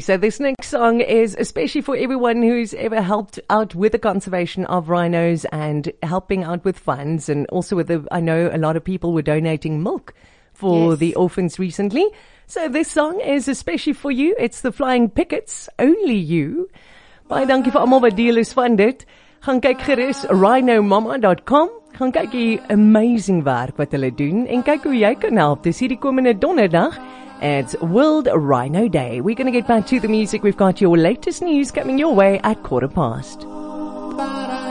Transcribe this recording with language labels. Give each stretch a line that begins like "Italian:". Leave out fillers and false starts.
English: So this next song is especially for everyone who's ever helped out with the conservation of rhinos and helping out with funds, and also with I know a lot of people were donating milk for the orphans recently. So this song is especially for you. It's the Flying Pickets, Only You.
Afrikaans: Baie dankie vir almal wat deel is van dit. Gaan kyk gerus rhinomama.com. Gaan kyk die amazing werk wat hulle doen en kyk hoe jy kan help. Dis hierdie komende donderdag.
English: It's World Rhino Day. We're going to get back to the music. We've got your latest news coming your way at 12:15.